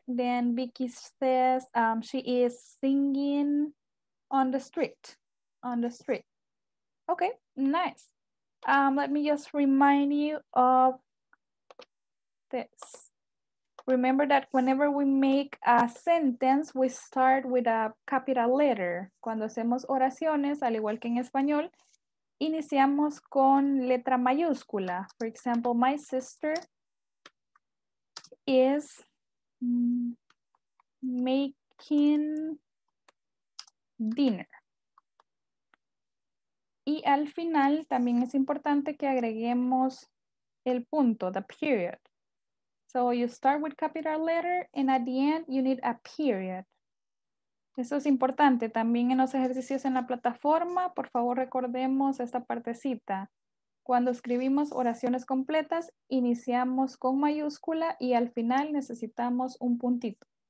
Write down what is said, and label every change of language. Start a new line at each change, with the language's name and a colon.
English: Then Vicky says, she is singing on the street. On the street. Okay, nice. Let me just remind you of this. Remember that whenever we make a sentence, we start with a capital letter.
Spanish: Cuando hacemos oraciones, al igual que en español, iniciamos con letra mayúscula.
English: For example, my sister is making dinner.
Spanish: Y al final, también es importante que agreguemos el punto,
English: the period. So you start with capital letter and at the end you need a period.
Spanish: Eso es importante. También en los ejercicios en la plataforma, por favor recordemos esta partecita. Cuando escribimos oraciones completas, iniciamos con mayúscula y al final necesitamos un puntito.